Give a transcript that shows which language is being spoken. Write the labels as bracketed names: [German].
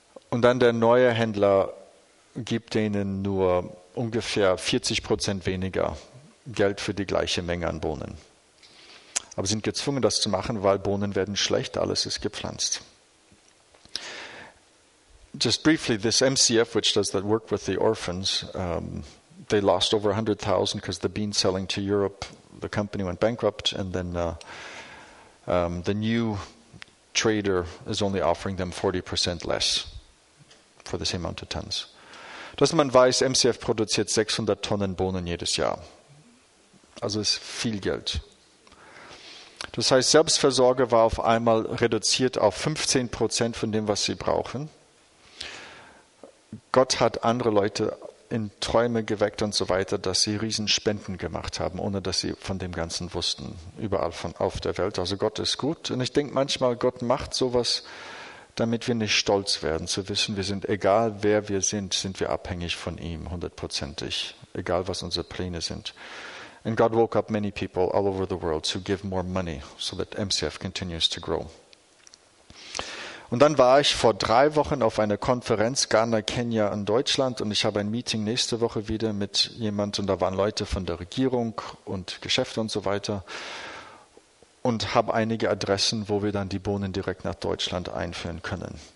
[German] Und dann der neue Händler gibt denen nur ungefähr 40% weniger Geld für die gleiche Menge an Bohnen. Aber sie sind gezwungen, das zu machen, weil Bohnen werden schlecht, alles ist gepflanzt. [English] Just briefly, this MCF, which does that work with the orphans, they lost over 100,000 because the beans selling to Europe, the company went bankrupt, and then the new trader is only offering them 40% less for the same amount of tons. [German] Dass man weiß, MCF produziert 600 Tonnen Bohnen jedes Jahr. Also ist viel Geld. Das heißt, Selbstversorger war auf einmal reduziert auf 15% von dem, was sie brauchen. Gott hat andere Leute in Träume geweckt und so weiter, dass sie Riesenspenden gemacht haben, ohne dass sie von dem Ganzen wussten, überall auf der Welt. Also Gott ist gut. Und ich denke manchmal, Gott macht sowas, damit wir nicht stolz werden, zu wissen, wir sind, egal wer wir sind, sind wir abhängig von ihm, hundertprozentig, egal was unsere Pläne sind. [English] And God woke up many people all over the world to give more money, so that MCF continues to grow. [German] Und dann war ich vor 3 Wochen auf einer Konferenz, Ghana, Kenia und Deutschland, und ich habe ein Meeting nächste Woche wieder mit jemandem, und da waren Leute von der Regierung und Geschäfte und so weiter, und habe einige Adressen, wo wir dann die Bohnen direkt nach Deutschland einführen können.